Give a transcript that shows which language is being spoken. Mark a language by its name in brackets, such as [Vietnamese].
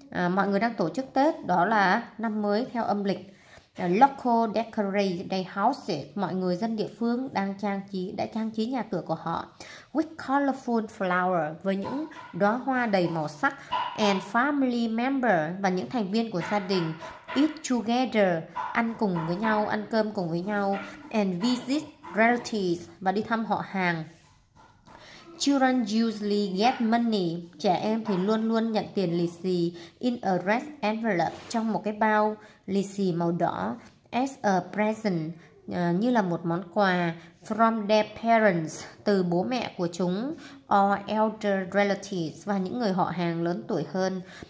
[Vietnamese] Mọi người đang tổ chức Tết, đó là năm mới theo âm lịch. [English] Local decorate their houses. [Vietnamese] Mọi người dân địa phương đã trang trí nhà cửa của họ. [English] With colorful flowers, [Vietnamese] với những đóa hoa đầy màu sắc. [English] And family member, [Vietnamese] và những thành viên của gia đình. [English] Eat together, [Vietnamese] ăn cơm cùng với nhau. [English] And visit relatives, [Vietnamese] và đi thăm họ hàng. [English] Children usually get money. [Vietnamese] Trẻ em thì luôn luôn nhận tiền lì xì. [English] In a red envelope, [Vietnamese] trong một cái bao lì xì màu đỏ. [English] As a present, [Vietnamese] như là một món quà. [English] From their parents, [Vietnamese] từ bố mẹ của chúng. [English] Or elder relatives, [Vietnamese] và những người họ hàng lớn tuổi hơn.